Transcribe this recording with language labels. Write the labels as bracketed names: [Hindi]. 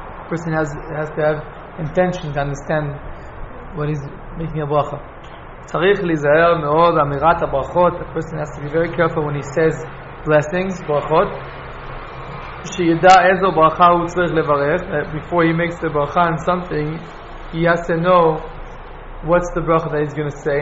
[English] Person has to have intention to understand what he's making a bracha. [Hebrew] צריך להיזהר מאוד אמירת הברכות. [English] A person has to be very careful when he says blessings, ברכות. [Hebrew] שידע איזו ברכה הוא צריך לברך. [English] Before he makes the bracha on something, he has to know what's the bracha that he's going to say.